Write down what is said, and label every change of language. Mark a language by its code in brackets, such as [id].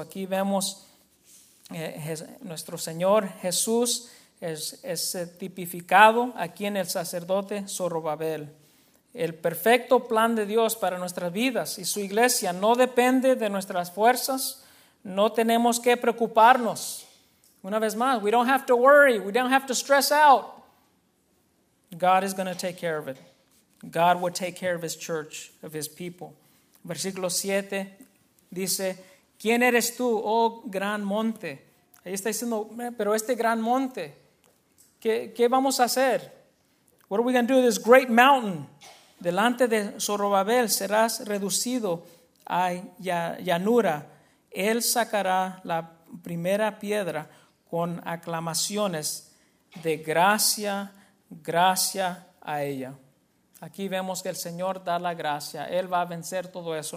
[es] Aquí vemos nuestro Señor Jesús es tipificado aquí en el sacerdote Zorobabel. El perfecto plan de Dios para nuestras vidas y su iglesia no depende de nuestras fuerzas. No tenemos que preocuparnos. Una vez más, [en] we don't have to worry, we don't have to stress out. God is going to take care of it. God will take care of his church, of his people. [es] Versículo 7 dice, ¿quién eres tú, oh gran monte? Ahí está diciendo, pero este gran monte, ¿qué vamos a hacer? [en] What are we going to do with this great mountain? [es] Delante de Zorobabel serás reducido a llanura. Él sacará la primera piedra con aclamaciones de gracia, gracia a ella. Aquí vemos que el Señor da la gracia. Él va a vencer todo eso.